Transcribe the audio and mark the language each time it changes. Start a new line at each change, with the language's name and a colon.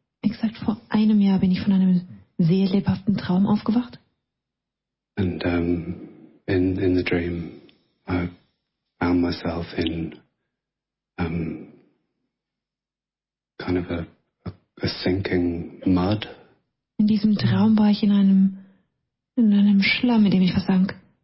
German: Exakt vor einem Jahr bin ich von einem sehr lebhaften Traum aufgewacht.
English: And in the dream, I found myself in kind of a sinking mud.
German: In diesem Traum war ich in einem Schlamm, in dem ich versank.